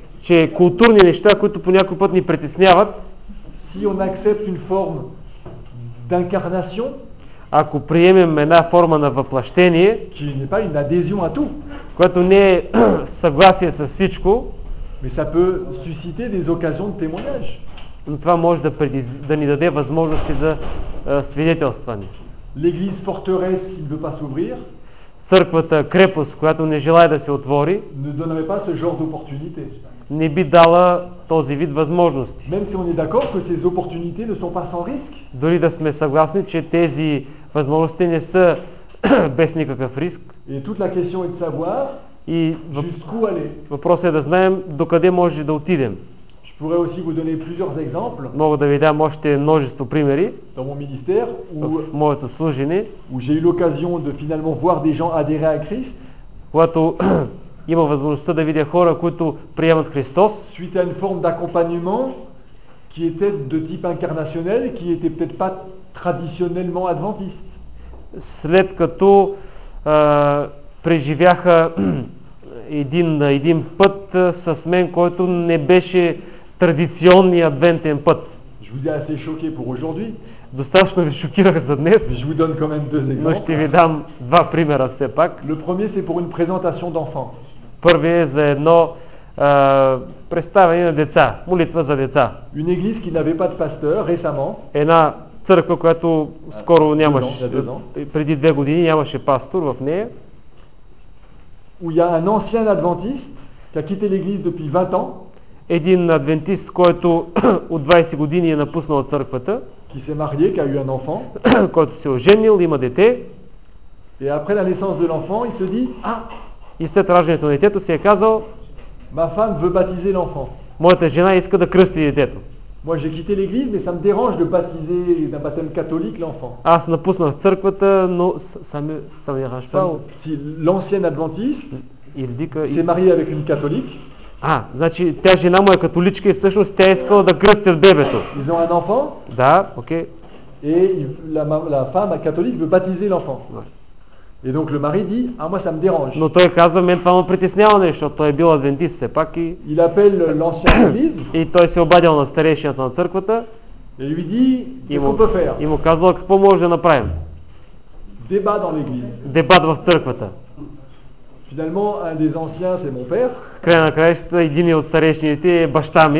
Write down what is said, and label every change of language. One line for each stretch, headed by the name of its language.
French: si on accepte une forme d'incarnation,
Bulgarian: ако приемем една форма на въплащение,
French: qui n'est pas une adhésion à tout,
Bulgarian: което не е съгласие с всичко,
French: mais ça peut susciter des occasions de témoignage.
Bulgarian: Но това може да ни даде възможности за свидетелстване.
French: L'église forteresse qui ne veut pas s'ouvrir,
Bulgarian: църквата крепост, която не желая да се отвори,
French: ne donnerait pas ce genre d'opportunité.
Bulgarian: Не би дала този вид възможности.
French: Même si on est d'accord que ces opportunités ne sont pas sans risque.
Bulgarian: Дори да сме съгласни, че тези възможности не са без никакъв риск.
French: Et toute la question est de savoir jusqu'où aller.
Bulgarian: Въпросът е да знаем докъде може да отидем.
French: Je pourrais aussi vous donner plusieurs exemples.
Bulgarian: Мога да ви дам още множество примери.
French: Dans mon ministère,
Bulgarian: в моето служение,
French: où j'ai eu l'occasion de finalement voir des gens adhérer à Christ.
Bulgarian: Когато има възможността да видя хора, които приемат Христос.
French: Suite à une forme d'accompagnement qui était de type incarnationnel, qui était peut-être pas traditionnellement adventiste.
Bulgarian: След като преживяха един път с мен, който не беше традиционният адвентен път.
French: Je vous ai assez choqué pour aujourd'hui.
Bulgarian: Достаточно ви шокирах за днес.
French: Je vous donne quand même deux exemples.
Bulgarian: Но ще ви дам два примера все пак.
French: Le premier c'est pour une présentation d'enfant.
Bulgarian: Първият е за едно представяне на деца, молитва за деца.
French: Une église qui n'avait pas de pasteur récemment.
Bulgarian: Една църква, която скоро нямаше, преди две години нямаше пастор в нея.
French: Où il y a un ancien adventiste qui a quitté l'église depuis 20 ans.
Bulgarian: Един адвентист, който от 20 години е напуснал църквата.
French: Qui s'est marié, qui a eu un enfant.
Bulgarian: Който се е оженил, има дете.
French: Et après la naissance de l'enfant, il se dit: ah!
Bulgarian: И след раждането на детето си е казал:
French: ma femme veut baptiser l'enfant.
Bulgarian: Моята жена иска да кръсти детето.
French: Moi j'ai quitté l'église, mais ça me dérange de baptiser d'un baptême catholique l'enfant.
Bulgarian: Аз напуснах църквата, но
French: ça me dérange pas. Si l'ancien adventiste, il dit que il s'est marié avec une catholique.
Bulgarian: А, значи тя жена му е католичка и всъщност тя искала да кръстят бебето.
French: Ils ont un enfant?
Bulgarian: Да, окей.
French: Et la femme catholique veut baptiser l'enfant. Et donc le mari dit: ah, moi ça me dérange.
Bulgarian: Но той казва: мен това ме притеснява нещо, той е бил адвентист все пак и...
French: Il appelle l'ancien église.
Bulgarian: И той се обадил на старейшината на църквата.
French: Et lui dit: qu'est-ce qu'on peut faire?
Bulgarian: И му казва: какво може да направим?
French: Débat dans l'église.
Bulgarian: Дебат в църквата.
French: Finalement, un des anciens, c'est mon père.
Bulgarian: Края на краищата, един от старейшините е баща ми.